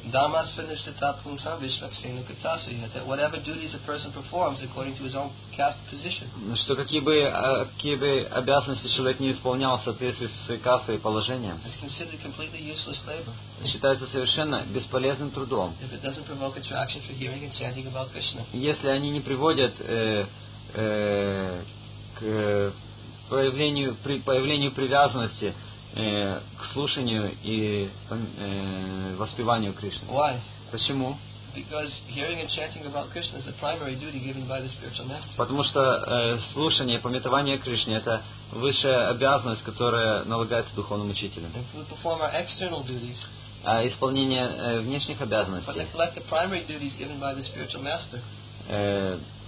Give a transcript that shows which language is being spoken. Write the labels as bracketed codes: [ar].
[en] Дамас finished the top Kung Sam Vishvaksena Katasya, that whatever duties a person performs according to his own caste position. [ru] Что какие бы обязанности человек не исполнял в соответствии со своей кастой и положением, [en] is considered completely useless labor. [ru] Считается совершенно бесполезным трудом. [en] If it doesn't provoke attraction for hearing and chanting about Krishna. [ru] Если они не приводят к появлению привязанности к слушанию и воспеванию Кришны. [en] Why? [ru] Почему? [en] Because hearing and chanting about Krishna is the primary duty given by the spiritual master. [ru] Потому что слушание и памятование Кришне — это высшая обязанность, которая налагается духовным учителем. [en] If we perform our external duties, [ru] а исполнение внешних обязанностей, [en] but neglect the primary duties given by the spiritual master,